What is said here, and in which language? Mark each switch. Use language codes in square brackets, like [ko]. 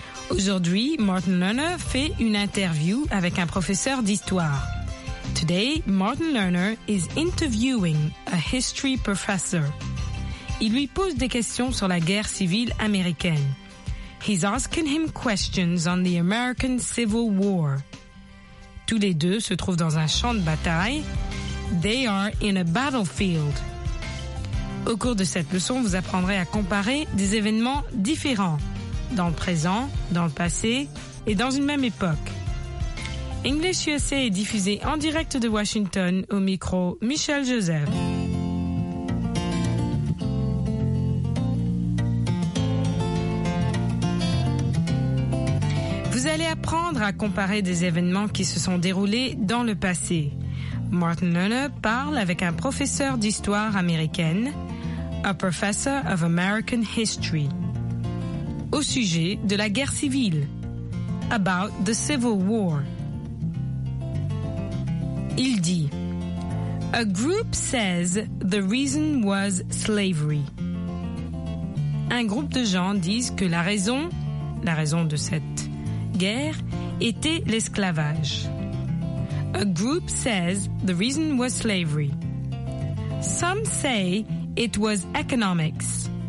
[fr] Aujourd'hui, Martin Lerner fait une interview avec un professeur d'histoire. [en] Today, Martin Lerner is interviewing a history professor. [fr] Il lui pose des questions sur la guerre civile américaine. [en] He's asking him questions on the American Civil War. [fr] Tous les deux se trouvent dans un champ de bataille. [en] They are in a battlefield. [fr] Au cours de cette leçon, vous apprendrez à comparer des événements différents. Dans le présent, dans le passé et dans une même époque. English USA est diffusé en direct de Washington au micro Michel Joseph. Vous allez apprendre à comparer des événements qui se sont déroulés dans le passé. Martin Lerner parle avec un professeur d'histoire américaine, [en] a professor of American history. [fr] Au sujet de la guerre civile. [en] About the Civil War. [fr] Il dit [en] A group says the reason was slavery. [fr] Un groupe de gens disent que la raison de cette guerre était l'esclavage. [en] A group says the reason was slavery. Some say it was economics.